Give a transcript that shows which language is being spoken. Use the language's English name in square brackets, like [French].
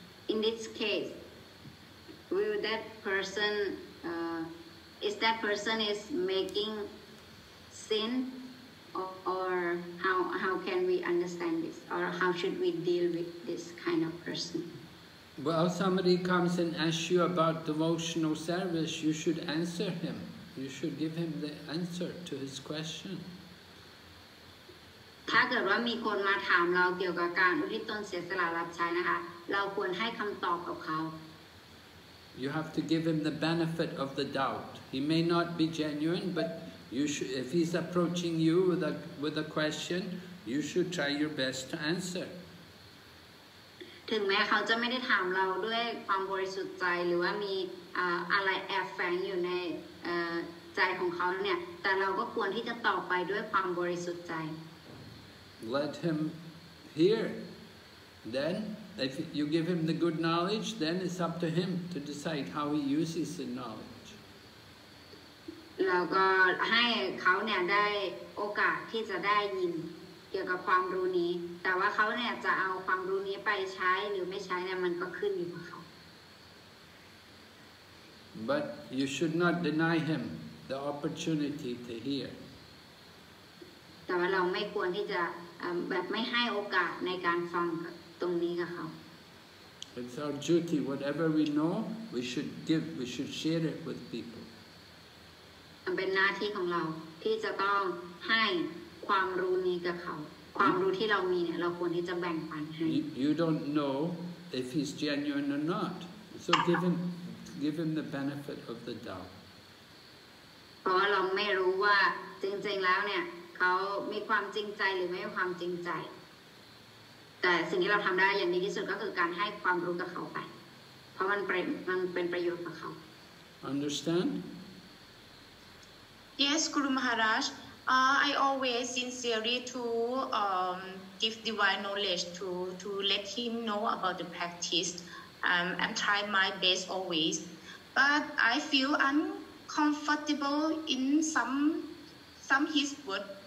[English] In this case, will that person, is that person is making sin or how can we understand this or how should we deal with this kind of person? Well, somebody comes and asks you about devotional service, you should answer him. You should give him the answer to his question. [Thai] ถ้าเกิดว่ามีคนมาถามเราเกี่ยวกับการอุทิศตนเสียสละรับใช้นะคะเราควรให้คำตอบกับเขา [English] You have to give him the benefit of the doubt. He may not be genuine, but you should, if he's approaching you with a question, you should try your best to answer. [Thai] ถึงแม้เขาจะไม่ได้ถามเราด้วยความบริสุทธิ์ใจหรือว่ามีอะไรแอบแฝงอยู่ในใจของเขาเนี่ยแต่เราก็ควรที่จะตอบไปด้วยความบริสุทธิ์ใจ [English] Let him hear. Then, if you give him the good knowledge, then it's up to him to decide how he uses the knowledge. [Thai] เราก็ให้เขาเนี่ยได้โอกาสที่จะได้ยินเกี่ยวกับความรู้นี้แต่ว่าเขาเนี่ยจะเอาความรู้นี้ไปใช้หรือไม่ใช้เนี่ยมันก็ขึ้นอยู่กับเขา [English] But you should not deny him the opportunity to hear. [Thai] แต่ว่าเราไม่ควรที่จะแบบไม่ให้โอกาสในการฟังตรงนี้กับเขา [English] It's our duty. Whatever we know, we should give. We should share it with people. [Thai] เป็นหน้าที่ของเราที่จะต้องให้ความรู้นี้กับเขา ความรู้ที่เรามีเนี่ยเราควรที่จะแบ่งปันให้ [English] You don't know if he's genuine or not. So give him the benefit of the doubt. [Thai] เพราะเราไม่รู้ว่าจริงๆแล้วเนี่ยเขามีความจริงใจหรือไม่มีความจริงใจแต่สิ่งที่เราทำได้อย่างดีที่สุดก็คือการให้ความรู้กับเขาไปเพราะมันเป็นประโยชน์กับเขา [English] Understand? Yes, Guru Maharaj. I always sincerely to give divine knowledge to let him know about the practice. I'm trying my best always, but I feel uncomfortable in some his word.